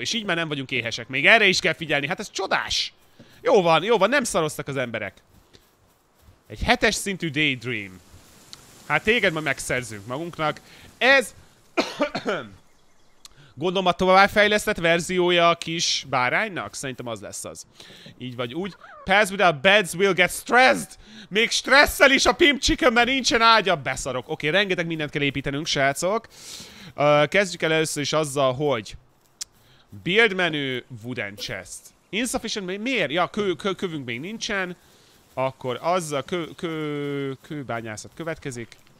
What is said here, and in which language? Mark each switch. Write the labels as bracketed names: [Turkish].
[Hungarian] És így már nem vagyunk éhesek. Még erre is kell figyelni. Hát ez csodás. Jó van, nem szaroztak az emberek. Egy 7-es szintű daydream. Hát téged ma megszerzünk magunknak. Ez... Gondolom a továbbfejlesztett verziója a kis báránynak? Szerintem az lesz az. Így vagy úgy. [English] Pass without beds will get stressed! [Hungarian] Még stresszel is a pimp chicken, mert nincsen ágya! Beszarok. Oké, okay, rengeteg mindent kell építenünk, srácok. Kezdjük el először is azzal, hogy... Build menü, wooden chest. Insufficient, miért? Ja, kövünk még nincsen. Akkor azzal kőbányászat következik.